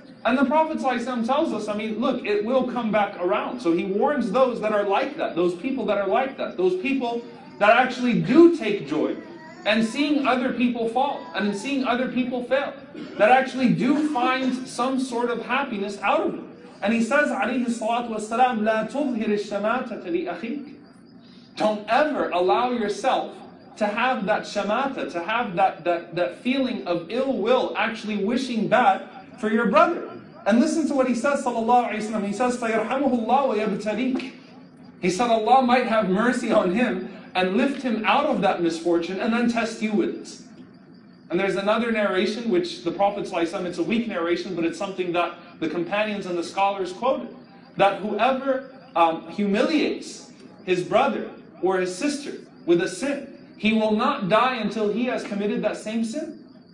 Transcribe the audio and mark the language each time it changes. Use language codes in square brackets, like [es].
[en] And the Prophet ﷺ tells us, I mean, look, it will come back around. So he warns those that are like that, those people that are like that, those people that actually do take joy and seeing other people fall and seeing other people fail, that actually do find some sort of happiness out of it. And he says, [ar] عَلَيْهِ الصَّلَاةُ وَالسَّلَامُ لَا تُظْهِرِ الشَّمَاتَةَ لِأَخِيكَ. [en] Don't ever allow yourself to have that shamata, to have that feeling of ill will, actually wishing bad for your brother. And listen to what he says, sallallahu alayhi wa sallam. He says, [ar] فَيَرْحَمُهُ اللَّهُ وَيَبْتَلِيكَ. [en] He said, Allah might have mercy on him and lift him out of that misfortune and then test you with it. And there's another narration which the Prophet ﷺ, it's a weak narration, but it's something that the companions and the scholars quoted. That whoever humiliates his brother or his sister with a sin, he will not die until he has committed that same sin.